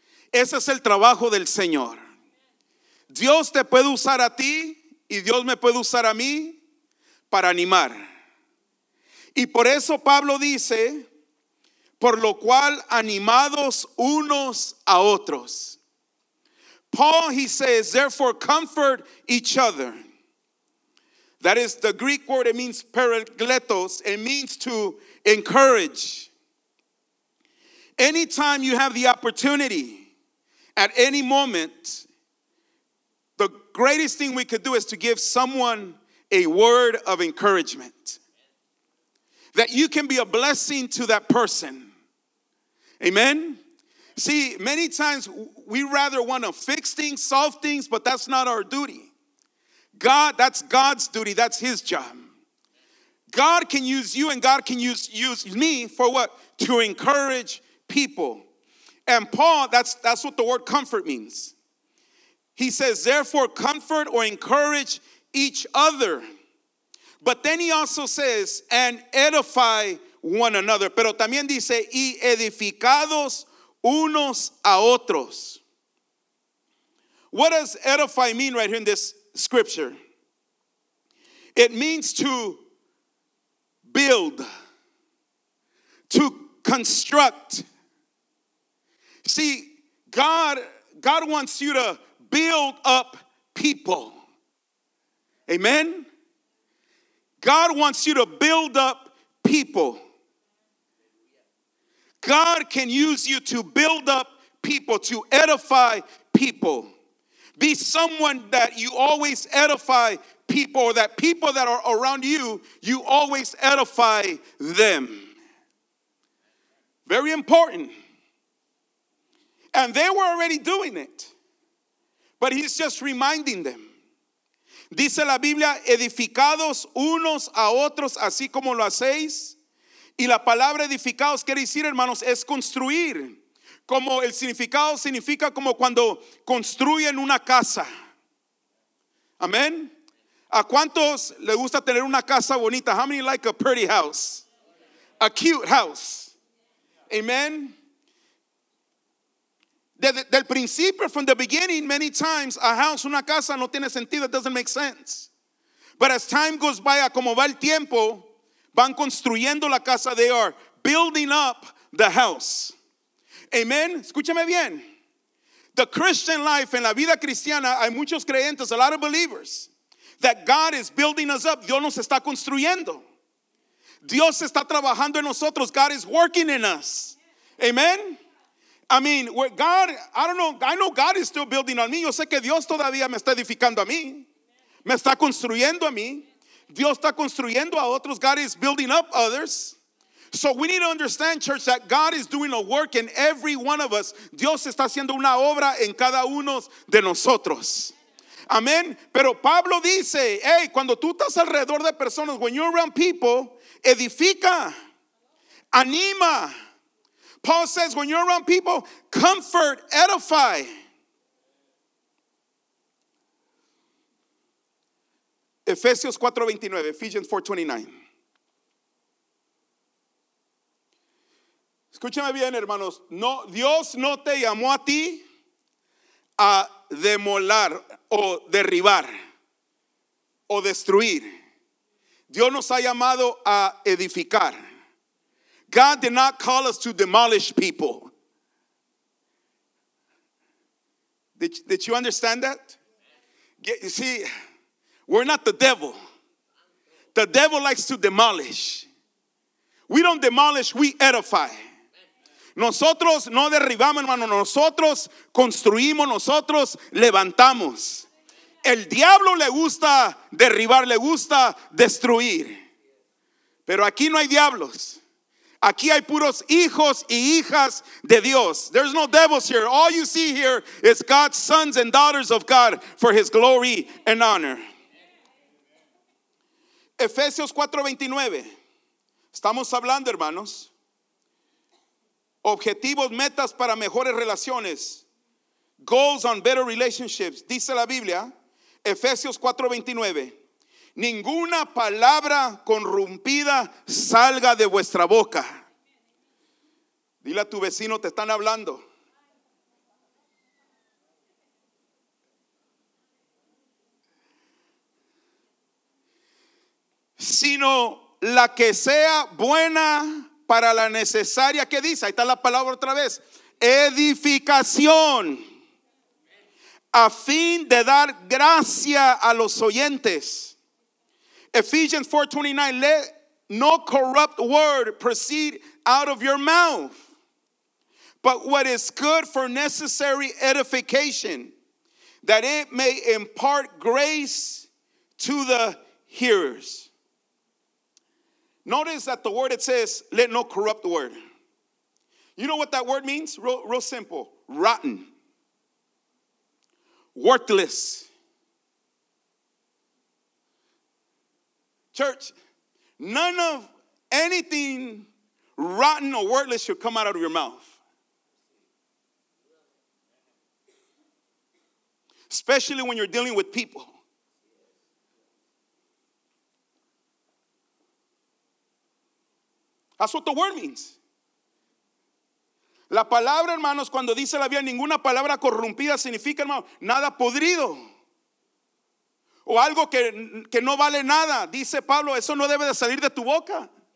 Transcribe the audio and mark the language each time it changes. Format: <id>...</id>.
<es>Ese es el trabajo del Señor. Dios te puede usar a ti y Dios me puede usar a mí para animar. Y por eso Pablo dice, por lo cual animados unos a otros.</es> <en>Paul, he says, therefore, comfort each other. That is the Greek word, it means parakletos. It means to encourage. Anytime you have the opportunity, at any moment, the greatest thing we could do is to give someone a word of encouragement. That you can be a blessing to that person. Amen? See, many times we rather want to fix things, solve things, but that's not our duty. God, that's God's duty. That's his job. God can use you and God can use me for what? To encourage people. And Paul, that's what the word comfort means. He says, therefore, comfort or encourage each other. But then he also says, and edify one another.</en> <es>Pero también dice, y edificados unos a otros.</es> <en>What does edify mean right here in this scripture? It means to build, to construct. See, God wants you to build up people. Amen? God wants you to build up people. God can use you to build up people, to edify people. Be someone that you always edify people, or that people that are around you, you always edify them. Very important. And they were already doing it. But he's just reminding them.</en> <es>Dice la Biblia, edificados unos a otros, así como lo hacéis. Y la palabra edificados quiere decir, hermanos, es construir. Como el significado significa como cuando construyen una casa. Amén. ¿A cuántos les gusta tener una casa bonita?</es> <en>How many like a pretty house? A cute house. Amén.</en> <es>Del principio,</es> <en>from the beginning, many times, a house,</en> <es>una casa, no tiene sentido.</es> <en>It doesn't make sense. But as time goes by,</en> <es>como va el tiempo, van construyendo la casa.</es> <en>They are building up the house. Amen.</en> <es>Escúchame bien.</es> <en>The Christian life,</en> <es>en la vida cristiana, hay muchos creyentes,</es> <en>a lot of believers, that God is building us up.</en> <es>Dios nos está construyendo. Dios está trabajando en nosotros.</es> <en>God is working in us. Amen. I mean, where God, I don't know, I know God is still building on me.</en> <es>Yo sé que Dios todavía me está edificando a mí. Me está construyendo a mí. Dios está construyendo a otros.</es> <en>God is building up others. So we need to understand, church, that God is doing a work in every one of us.</en> <es>Dios está haciendo una obra en cada uno de nosotros. Amén. Pero Pablo dice, hey, cuando tú estás alrededor de personas,</es> <en>when you're around people,</en> <es>edifica, anima.</es> <en>Paul says, when you're around people, comfort, edify. Ephesians 4:29, Ephesians 4:29.</en> <es>Escúchame bien, hermanos. No, Dios no te llamó a ti a demolar o derribar o destruir. Dios nos ha llamado a edificar.</es> <en>God did not call us to demolish people. Did you understand that? You see, we're not the devil. The devil likes to demolish. We don't demolish, we edify.</en> <es>Nosotros no derribamos, hermano. Nosotros construimos, nosotros levantamos. El diablo le gusta derribar, le gusta destruir. Pero aquí no hay diablos. Aquí hay puros hijos y hijas de Dios.</es> <en>There's no devils here. All you see here is God's sons and daughters of God for his glory and honor. Ephesians 4:29.</en> <es>Estamos hablando, hermanos. Objetivos, metas para mejores relaciones.</es> <en>Goals on better relationships.</en> <es>Dice la Biblia, Ephesians 4:29. Ninguna palabra corrompida salga de vuestra boca. Dile a tu vecino, te están hablando. Sino la que sea buena para la necesaria, ¿qué dice? Ahí está la palabra otra vez. Edificación. a fin de dar gracia a los oyentes.</es> <en>Ephesians 4:29, let no corrupt word proceed out of your mouth, but what is good for necessary edification, that it may impart grace to the hearers. Notice that the word, it says, let no corrupt word. You know what that word means? Real simple. Rotten. Worthless. Church, none of anything rotten or worthless should come out of your mouth. Especially when you're dealing with people. That's what the word means.</en> <es>La palabra, hermanos, cuando dice la vida, ninguna palabra corrompida significa, hermano, nada podrido. O algo que no vale nada. Dice Pablo, eso no debe de salir de tu boca.</es>